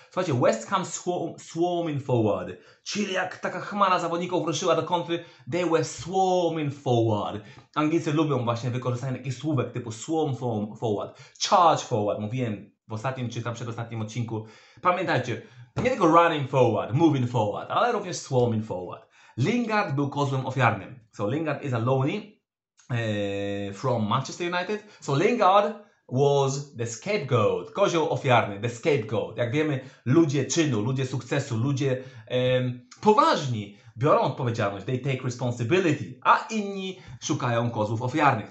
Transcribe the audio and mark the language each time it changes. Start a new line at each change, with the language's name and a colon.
Polish: Słuchajcie, West Ham swarming forward. Czyli jak taka chmara zawodników ruszyła do kontry,
English: they were swarming forward.
Polish: Anglicy lubią właśnie wykorzystanie takich słówek typu swarm forward, charge forward. Mówiłem w ostatnim czy tam przedostatnim odcinku. Pamiętajcie, nie tylko running forward, moving forward, ale również swarming forward. Lingard był kozłem ofiarnym.
English: So Lingard is a loanee from Manchester United. So Lingard was the scapegoat,
Polish: kozioł ofiarny,
English: the scapegoat.
Polish: Jak wiemy, ludzie czynu, ludzie sukcesu, ludzie poważni biorą odpowiedzialność.
English: They take responsibility,
Polish: a inni szukają kozłów ofiarnych.